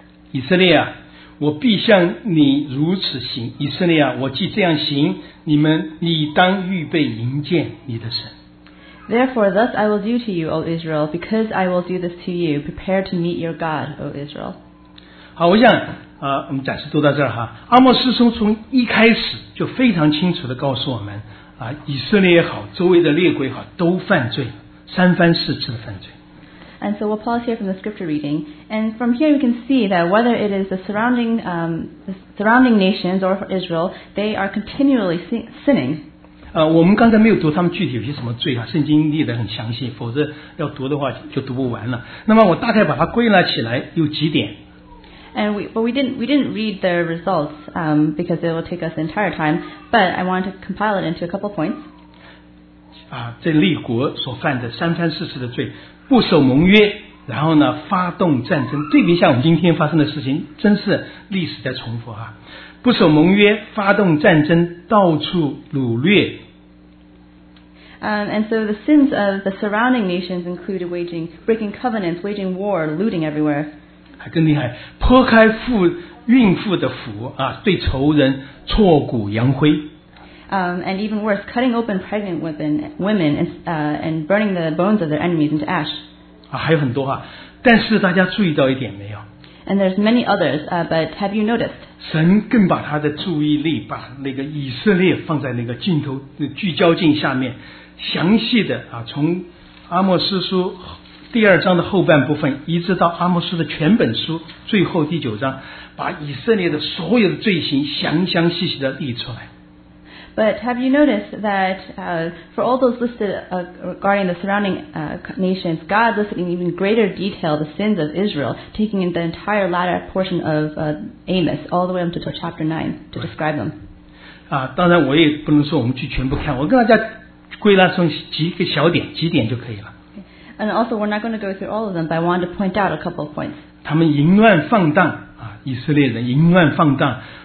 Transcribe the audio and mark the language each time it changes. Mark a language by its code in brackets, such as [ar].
[zh] 以色列啊，我必向你如此行，以色列啊，我既这样行，你当预备迎接你的神。 [en] Therefore, thus I will do to you, O Israel, because I will do this to you. Prepare to meet your God, O Israel. [zh] 好，我想我们暂时读到这儿哈。阿摩斯从一开始就非常清楚地告诉我们啊，以色列也好，周围的列国也好，都犯罪，三番四次的犯罪。 [en] And so we'll pause here from the scripture reading. And from here we can see that whether it is the surrounding nations or Israel, they are continually sinning. [zh] 我们刚才没有读他们具体有些什么罪啊，圣经列得很详细，否则要读的话就读不完了。那么我大概把它归纳起来有几点。 [en] And we didn't read their results, because it will take us the entire time, but I wanted to compile it into a couple points. [zh] 这列国所犯的三番四次的罪，不守盟约，然后呢发动战争，对比一下我们今天发生的事情，真是历史在重复啊！不守盟约，发动战争，到处掳掠。 [en] And so the sins of the surrounding nations included breaking covenants, waging war, looting everywhere. [zh] 还更厉害，剖开孕妇的腹啊，对仇人挫骨扬灰。 [en] And even worse, cutting open pregnant women and burning the bones of their enemies into ash. [zh] 还有很多啊，但是大家注意到一点没有？ [en] And there's many others, but have you noticed? [zh] 神更把他的注意力把那个以色列放在那个镜头聚焦镜下面，详细的啊，从阿莫斯书第二章的后半部分，一直到阿莫斯的全本书最后第九章，把以色列的所有的罪行详详细细的列出来。 [en] But have you noticed that for all those listed regarding the surrounding nations, God listed in even greater detail the sins of Israel, taking in the entire latter portion of Amos, all the way up to chapter 9, to describe them. [zh] 啊，当然我也不能说我们去全部看，我跟大家归纳成几个小点，几点就可以了。 [en] And also, we're not going to go through all of them, but I wanted to point out a couple of points. [zh] 他们淫乱放荡啊，以色列人淫乱放荡。